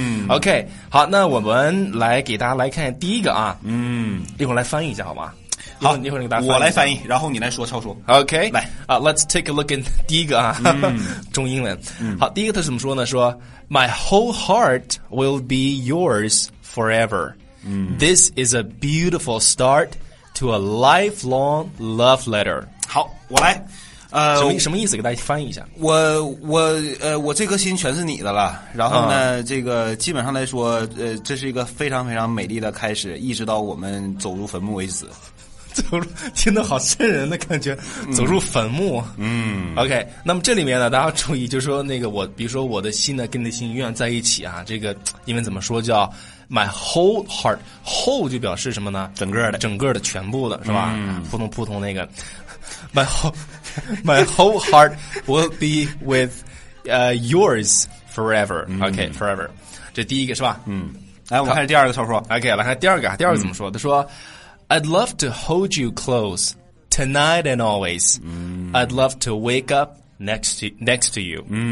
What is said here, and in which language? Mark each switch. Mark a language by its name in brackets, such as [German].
[Chinese] OK， 好，那我们来给大家来看第一个啊，一会儿来翻译一下好吗？好，一会儿给大家我来翻译，然后你来说，超说。 [English] OK， [Chinese] 来 [English] 啊、，Let's take a look in [Chinese] 第一个啊，中英文。好，第一个他怎么说呢？说 [English] My whole heart will be yours forever. This is a beautiful start to a lifelong love letter. [Chinese] 好，我来。什么意思？给大家翻译一下。我这颗心全是你的了。然后呢，这个基本上来说，这是一个非常非常美丽的开始，一直到我们走入坟墓为止。听得好瘆人的感觉，走入坟墓。OK， 那么这里面呢，大家注意，就是说那个我，比如说我的心呢，跟你的心愿在一起啊，这个因为怎么说叫 my whole heart， whole 就表示什么呢？整个的全部的是吧？扑通扑通那个 [English] my whole heart will be with yours forever。 [Chinese] OK， forever， 这第一个是吧？来，我们看第二个，超说。 OK， 来看第二个，第二个怎么说？他说。 [English] I'd love to hold you close tonight and always. I'd love to wake up next to you.